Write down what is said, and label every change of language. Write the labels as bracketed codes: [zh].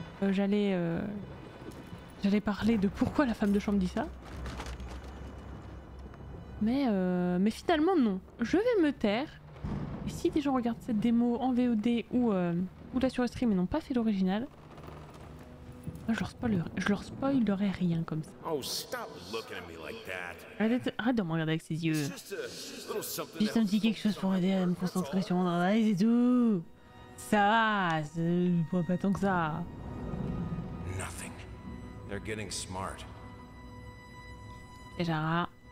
[fr] J'allais parler de pourquoi la femme de chambre dit ça. Mais finalement non. Je vais me taire. Et si des gens regardent cette démo en VOD ou là sur le stream et n'ont pas fait l'original, je leur spoilerai rien comme ça. [en] Oh, stop looking at me like that. [fr] Arrête de me regarder avec ses yeux. Juste un petit quelque chose pour aider à me concentrer sur mon travail, c'est tout. Ça va, c'est pas tant que ça. [en] Nothing. They're getting smart. [fr] Et Jara.